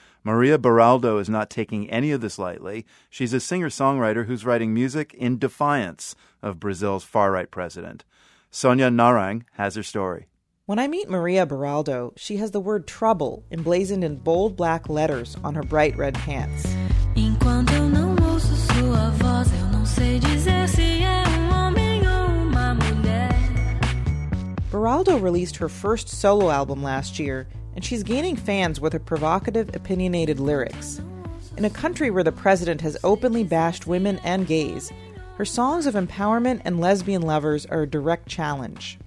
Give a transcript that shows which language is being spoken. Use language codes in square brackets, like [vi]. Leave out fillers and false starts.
[en] Maria Beraldo is not taking any of this lightly. She's a singer-songwriter who's writing music in defiance of Brazil's far-right president. Sonia Narang has her story. When I meet Maria Beraldo, she has the word trouble emblazoned in bold black letters on her bright red pants. [pt] Enquanto eu não ouço sua voz, eu não sei dizer se é um homem ou uma mulher. [en] Beraldo released her first solo album last year, and she's gaining fans with her provocative, opinionated lyrics. In a country where the president has openly bashed women and gays, her songs of empowerment and lesbian lovers are a direct challenge.